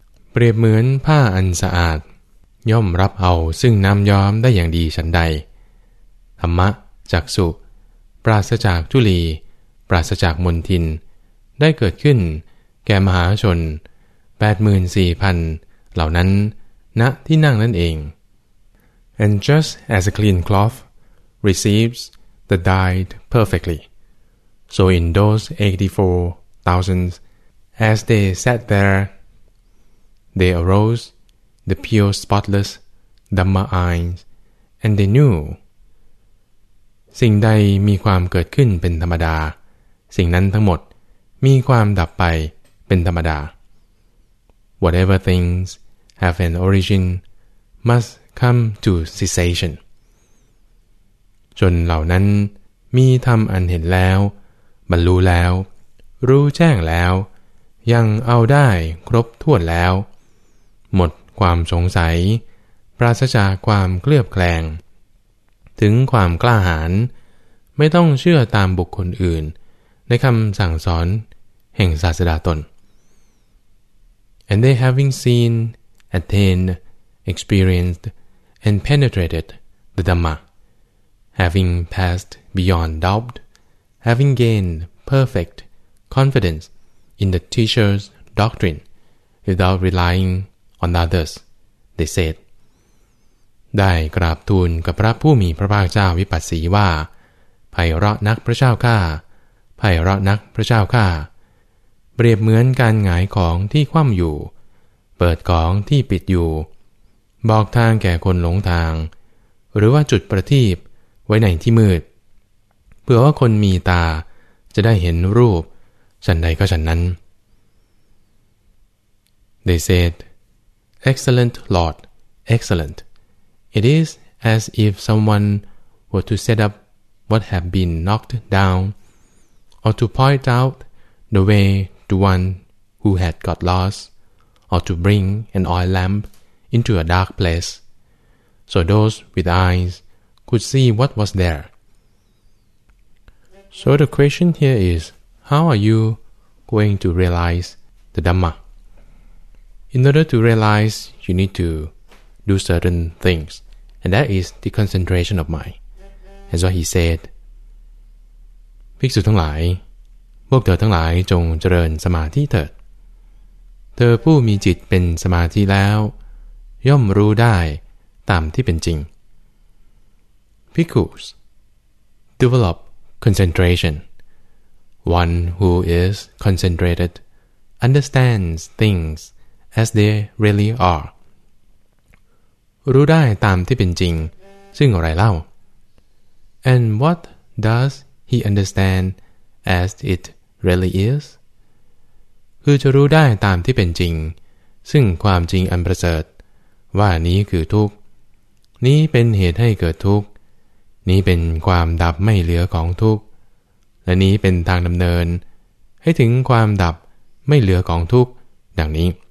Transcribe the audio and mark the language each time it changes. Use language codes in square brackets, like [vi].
[th] เปรียบเหมือนผ้าอันสะอาดย่อมรับเอาซึ่งน้ำย้อมได้อย่างดีฉันใดธรรมะจักสุปราศจากทุลีปราศจากมลทินได้เกิดขึ้นแก่มหาชน 84,000 เหล่านั้นณที่นั่งนั่นเอง [en] And just as a clean cloth receives the dyed perfectly so in those 84,000 as they sat there they aroseThe pure spotless Dhamma eyes, and they knew. [th] สิ่งใดมีความเกิดขึ้นเป็นธรรมดาสิ่งนั้นทั้งหมดมีความดับไปเป็นธรรมดา [en] whatever things have an origin must come to cessation. [th] จนเหล่านั้นมีธรรมอันเห็นแล้วบรรลุแล้วรู้แจ้งแล้วยังเอาได้ครบถ้วนแล้วหมดความสงสัยปราศจากความเคลือบแคลงถึงความกล้าหาญไม่ต้องเชื่อตามบุคคลอื่นในคำสั่งสอนแห่งศาสดาตน [en] And they having seen, attained, experienced, and penetrated the Dhamma, having passed beyond doubt, having gained perfect confidence in the teacher's doctrine without relying on others, they said, [th] ได้กราบทูลกับพระผู้มีพระภาคเจ้าวิปัสสีว่าไพเราะนักพระเจ้าข้าไพเราะนักพระเจ้าข้าเปรียบเหมือนการหงายของที่คว่ำอยู่เปิดของที่ปิดอยู่บอกทางแก่คนหลงทางหรือว่าจุดประทีปไว้ในที่มืดเพื่อว่าคนมีตาจะได้เห็นรูปฉันใดก็ฉันนั้น [en] They said excellent lord excellentIt is as if someone were to set up what had been knocked down, or to point out the way to one who had got lost, or to bring an oil lamp into a dark place, so those with eyes could see what was there. So the question here is, how are you going to realize the Dhamma? In order to realize, you need to do certain things. And that is the concentration of mind. As what he said. [th] ภิกษุทั้งหลายพวกเธอทั้งหลายจงเจริญสมาธิเถิดเธอผู้มีจิตเป็นสมาธิแล้วย่อมรู้ได้ตามที่เป็นจริง [en] Bhikkhus, develop concentration. One who is concentrated understands things as they really are. [th] รู้ได้ตามที่เป็นจริงซึ่งอะไรเล่า [en] And what does he understand as it really is? [th] คือจะรู้ได้ตามที่เป็นจริงซึ่งความจริงอันประเสริฐว่านี้คือทุกข์นี้เป็นเหตุให้เกิดทุกข์นี้เป็นความดับไม่เหลือของทุกข์และนี้เป็นทางดำเนินให้ถึงความดับไม่เหลือของทุกข์ดังนี